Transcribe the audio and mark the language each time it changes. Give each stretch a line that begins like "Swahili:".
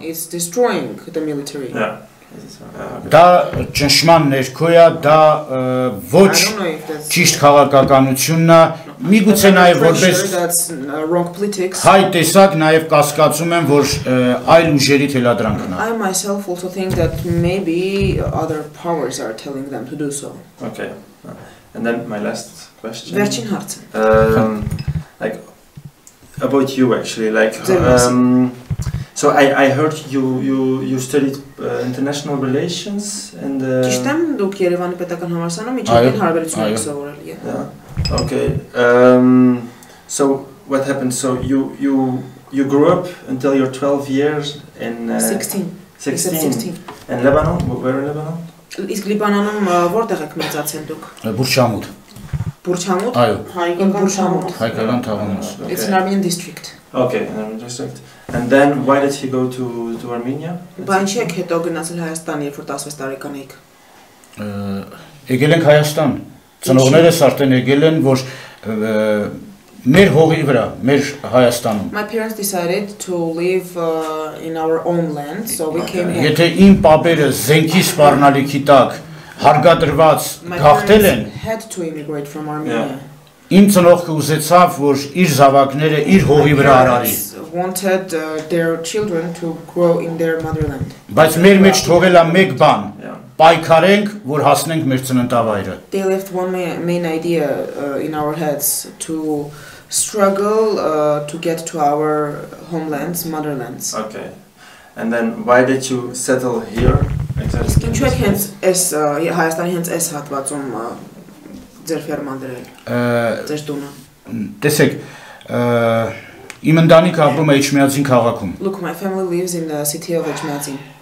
English: It's destroying the military. Yeah.
Armenian: Դա ճնշման ներքո է, դա ոչ ճիշտ քաղաքականությունն է, միգուցե նաև որպես հայ տեսակ նաև կասկածում եմ, որ այլ ուժերի թելադրանքն է։
English: I myself also think that maybe other powers are telling them to do so. Okay. And then my last question.
Armenian: Վերջին հարցը։
English: Like about you actually, like so I heard you studied international relations and
Armenian: ճիշտ եմ, դուք Երևանի պետական համալսարանում միջազգային հարաբերություններ եք սովորել,
English: yeah. Okay. So what happened? So you grew up until your 12 years in 16 in Lebanon? Where in Lebanon?
Armenian: Իսկ Լիբանանում որտեղ եք մեծացել դուք? Բուրջամուտ։ Բուրջամուտ։ Այո։ Հայկական Բուրջամուտ։ Հայկական Թավանոս։
English: It's an Armenian district. Okay, an Armenian district. And then why did he go to Armenia?
Armenian: Բանչի եք հետո գնացել Հայաստան, երբ որ 16 տարեկան էիք։ Եկել ենք Հայաստան։ Ծնողներս արդեն եկել են, որ մեր հողի վրա, մեր Հայաստանում։
English: My parents decided to live in our own land, so we came here.
Armenian: Եթե իմ պապերը զենքի սպառնալիքի տակ հարգադրված գաղթել են,
English: had to immigrate from Armenia.
Armenian: Իմ ծնողը ուզեցավ, որ իր զավակները իր հողի վրա արարի։
English: Wanted their children to grow in their motherland.
Armenian: Բայց մեր մեջ թողել է մեկ բան՝ պայքարենք, որ հասնենք մեր ծննդավայրը։
English: They left one main idea in our heads, to struggle to get to our homelands, motherlands. Okay. And then why did you settle here? Exactly.
Armenian: Ինչու եք հենց այս Հայաստանի հենց այս հատվածում ձեր ֆերման դրել։ Ձեր տունը։ Տեսեք, Իմ ընտանիքը ապրում է Իջմիածին քաղաքում։
English: Look, my family lives in the city of Իջմիածին։